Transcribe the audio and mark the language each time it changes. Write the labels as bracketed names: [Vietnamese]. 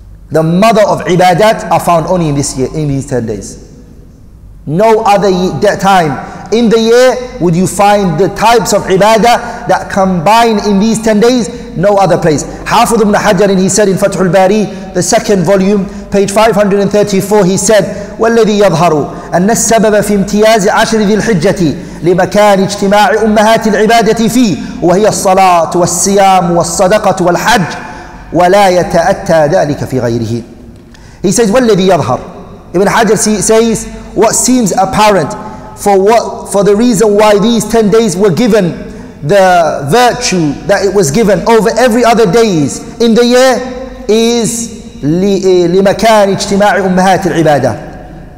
[English] The mother of ibadat are found only in this year, in these 10 days. No other time in the year would you find the types of ibadah that combine in these 10 days, no other place. Hafiz ibn Hajar, he said in Fathul Bari, the second volume, page 534, he said, [Arabic] وَالَّذِي يَظْهَرُ أَنَّ السَّبَبَ فِي امْتِيَازِ عَشْرِ ذِي الْحِجَّةِ لِمَكَانِ اجْتِمَاعِ أُمَّهَاتِ الْعِبَادَةِ فِيهِ وَهِيَ الصَّلَاةُ وَالصِّيَامُ وَالصَّدَقَةُ وَالْحَجُّ وَلَا يَتَأَتَّى ذَلِكَ فِي غَيْرِهِ. [English] He says, [Arabic] وَالَّذِي يَظْهَرُ. [English] Ibn Hajar says, what seems apparent for the reason why these 10 days were given the virtue that it was given over every other days in the year is [Arabic] لِمَكَانِ اجْتِمَاعِ أُمَّهَاتِ الْعِبَادَةِ.